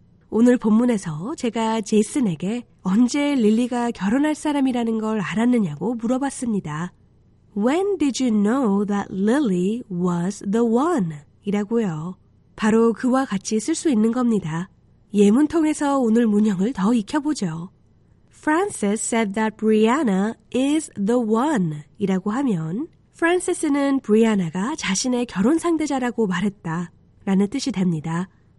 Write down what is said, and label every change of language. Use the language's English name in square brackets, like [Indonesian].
[Korean] 오늘 본문에서 제가 제이슨에게 언제 릴리가 결혼할 사람이라는 걸 알았느냐고 물어봤습니다. [English] When did you know that Lily was the one? [Korean] 이라고요. 바로 그와 같이 쓸 수 있는 겁니다. 예문 통해서 오늘 문형을 더 익혀보죠. Frances said that Brianna is the one 이라고 하면 프란시스는 브리아나가 자신의 결혼 상대자라고 말했다 라는 뜻이 됩니다.